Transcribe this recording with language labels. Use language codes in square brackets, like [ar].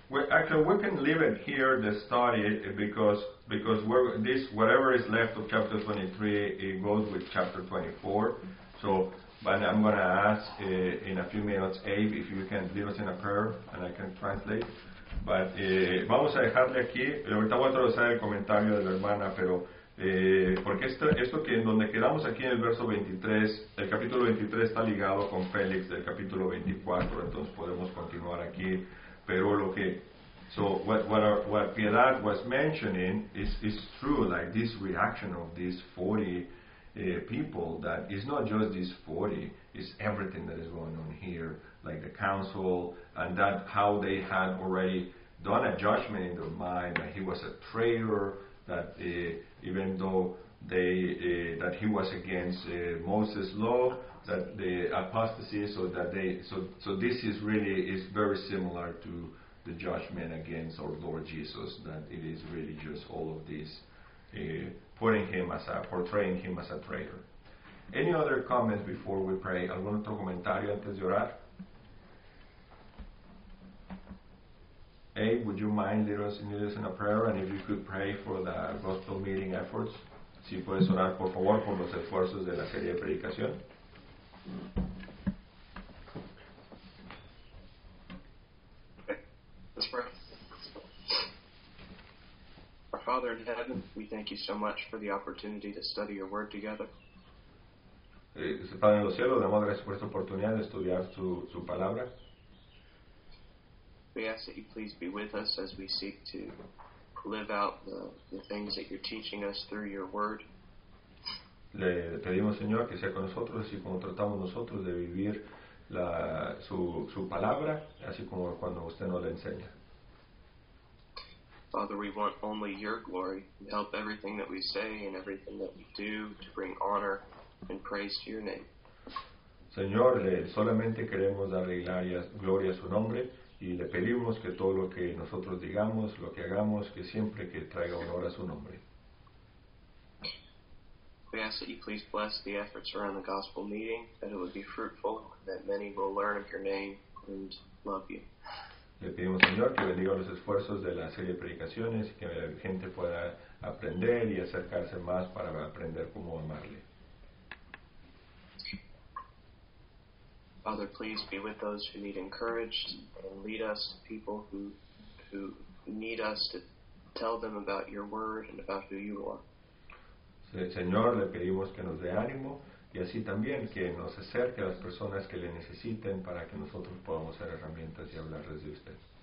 [en] Actually, we can leave it here, the study, because we're, this whatever is left of chapter 23, it goes with chapter 24. So, but I'm going to ask in a few minutes, Abe, if you can leave us in a prayer, and I can translate. [es] But vamos a dejarle aquí. Ahorita voy a traducir el comentario de la hermana, pero porque esto que en donde quedamos aquí en el verso 23, el capítulo 23 está ligado con Félix del capítulo 24, entonces podemos continuar aquí. Pero lo que, [en] so what Piedad was mentioning is true, like this reaction of these 40 people, that it's not just these 40, it's everything that is going on here, like the council, and that how they had already done a judgment in their mind that he was a traitor, that even though they that he was against Moses' law, that the apostasy, so this is really is very similar to the judgment against our Lord Jesus, that it is really just all of this portraying him as a traitor. Any other comments before we pray? [es] ¿Algún otro comentario antes de orar? [en] Abe, would you mind leading us in a prayer, and if you could pray for the gospel meeting efforts? [es] Si puedes orar, por favor, por los esfuerzos de la serie de predicación. [en] Let's pray. Our Father in heaven, we thank you so much for the opportunity to study your word together. [es] Padre en los cielos, damos gracias por esta oportunidad de estudiar su palabra. [en] We ask that you please be with us as we seek to live out the things that you're teaching us through your word. [es] Le pedimos, Señor, que sea con nosotros, así como tratamos nosotros de vivir su palabra, así como cuando usted nos la enseña. [en] Father, we want only your glory. Help everything that we say and everything that we do to bring honor and praise to your name. [es] Señor, solamente queremos darle gloria a su nombre, y le pedimos que todo lo que nosotros digamos, lo que hagamos, que siempre que traiga honor a su nombre. [en] We ask that you please bless the efforts around the gospel meeting, that it would be fruitful, that many will learn of your name and love you. [es] Le pedimos, Señor, que bendiga los esfuerzos de la serie de predicaciones, que la gente pueda aprender y acercarse más para aprender cómo amarle. [en] Father, please be with those who need encouraged and lead us to people who need us to tell them about your word and about who you are. [es] Señor, le pedimos que nos dé ánimo y así también que nos acerque a las personas que le necesiten para que nosotros podamos ser herramientas y hablarles de usted.